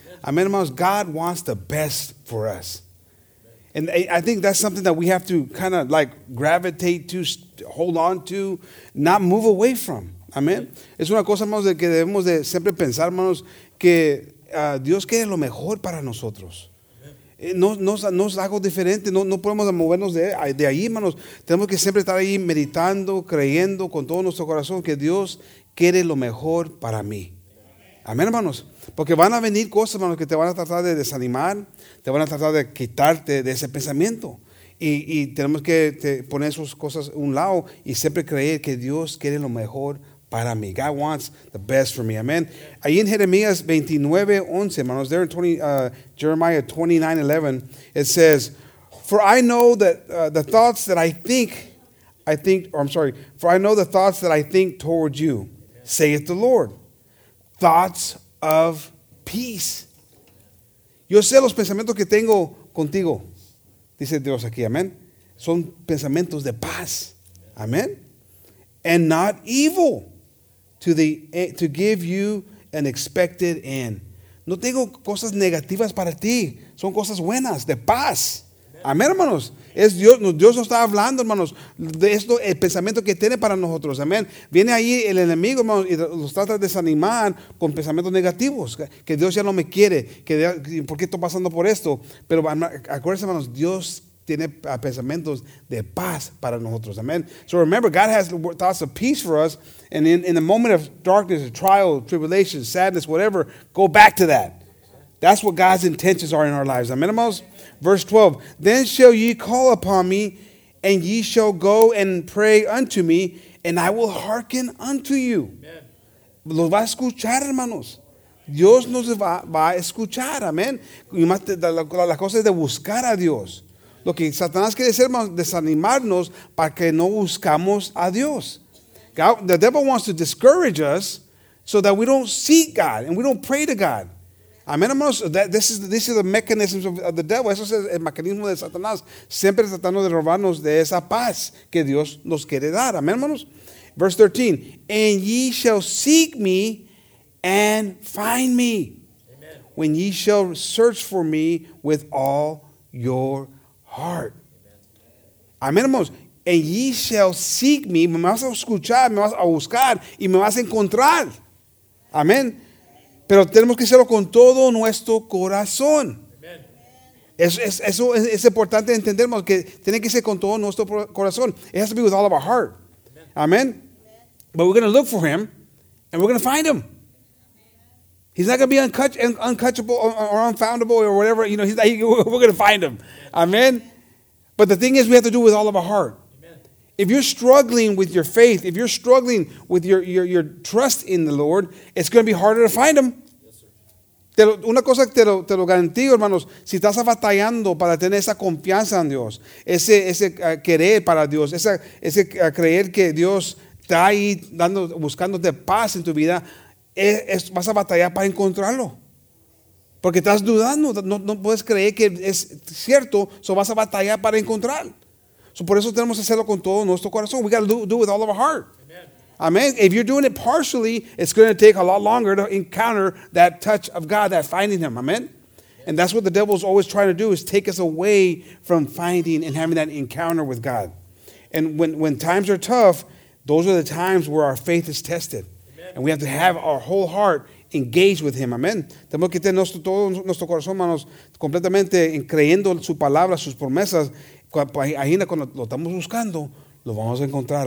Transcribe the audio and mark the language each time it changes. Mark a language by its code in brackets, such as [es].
[en] Amen, hermanos, God wants the best for us. And I think that's something that we have to kind of like gravitate to, hold on to, not move away from. Amen. [es] Es una cosa, hermanos, que debemos de siempre pensar, hermanos, que Dios quiere lo mejor para nosotros. No es algo diferente, no podemos movernos de ahí, hermanos. Tenemos que siempre estar ahí meditando, creyendo con todo nuestro corazón que Dios quiere lo mejor para mí. Amén, hermanos. Porque van a venir cosas, hermanos, que te van a tratar de desanimar, te van a tratar de quitarte de ese pensamiento. Y tenemos que poner esas cosas a un lado y siempre creer que Dios quiere lo mejor para mí. [en] God wants the best for me. Amen. [es] Ahí en Jeremías 29:11, hermanos, [en] there in Jeremiah 29:11, it says, "For I know that the thoughts that I know the thoughts that I think toward you, saith the Lord, thoughts of peace." [es] Yo sé los pensamientos que tengo contigo, dice Dios aquí. Amen. Son pensamientos de paz. Amen. [en] And not evil. To give you an expected end. [es] No tengo cosas negativas para ti. Son cosas buenas, de paz. Amén, hermanos. Es Dios, Dios nos está hablando, hermanos, de esto, el pensamiento que tiene para nosotros. Amén. Viene ahí el enemigo, hermanos, y nos trata de desanimar con pensamientos negativos. Que Dios ya no me quiere. ¿Por qué estoy pasando por esto? Pero acuérdense, hermanos, Dios tiene pensamientos de paz para nosotros. [en] Amen. So remember, God has thoughts of peace for us. And in the moment of darkness, trial, tribulation, sadness, whatever, go back to that. That's what God's intentions are in our lives. Amen. Verse 12. Then shall ye call upon me, and ye shall go and pray unto me, and I will hearken unto you. [es] Amen. Los va a escuchar, hermanos. Dios nos va a escuchar. Amen. Y más la cosa es de buscar a Dios. Lo que Satanás quiere hacer, hermanos, desanimarnos para que no buscamos a Dios. [en] God, the devil wants to discourage us so that we don't seek God and we don't pray to God. Amen, hermanos. This is the mechanisms of the devil. [es] Eso es el mecanismo de Satanás. Siempre tratando de robarnos de esa paz que Dios nos quiere dar. [en] Amen, hermanos. Verse 13. And ye shall seek me and find me. Amen. When ye shall search for me with all your heart. Amen, hermanos. and ye shall seek me. [es] Me vas a escuchar, me vas a buscar y me vas a encontrar. Amén. Pero tenemos que hacerlo con todo nuestro corazón. Es importante entender que tiene que ser con todo nuestro corazón. [en] It has to be with all of our heart. Amen. But we're going to look for him, and we're going to find him. He's not going to be uncatchable or unfoundable or whatever. You know, we're going to find him. Amen. But the thing is, we have to do it with all of our heart. If you're struggling with your faith, if you're struggling with your trust in the Lord, it's going to be harder to find him. Una cosa te lo garantizo, hermanos, si estás batallando para tener esa confianza en Dios, ese querer para Dios, ese creer que Dios está ahí buscándote paz en tu vida, vas a batallar para encontrarlo. Porque estás dudando, no puedes creer que es cierto, so vas a batallar para encontrarlo. So por eso tenemos que hacerlo con todo nuestro corazón. We got to do it with all of our heart. Amen. If you're doing it partially, it's going to take a lot longer to encounter that touch of God, that finding him. Amen. And that's what the devil is always trying to do, is take us away from finding and having that encounter with God. And when times are tough, those are the times where our faith is tested. Amen. And we have to have our whole heart engaged with him. Amen. [es] Tenemos que tener todo nuestro corazón, hermanos, completamente creyendo su palabra, sus promesas. Ahí cuando lo estamos buscando, lo vamos a encontrar.